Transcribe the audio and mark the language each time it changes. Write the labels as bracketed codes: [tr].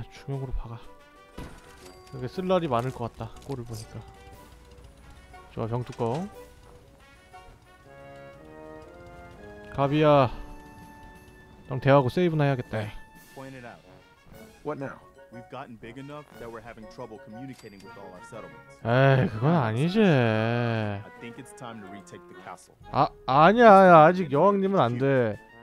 [ko] 중형으로 박아. 여기 쓸 날이 많을 것 같다. 꼴을 보니까. 좋아 병뚜껑. 가비야. 형 대화하고 세이브나 해야겠다. [en] Pointed out. What now? We've gotten big enough that we're having trouble communicating with all our settlements. [ko] 에이 그건 아니지. [en] I think it's time to retake the castle. [ko] 아 아니야 아직 여왕님은 안 돼.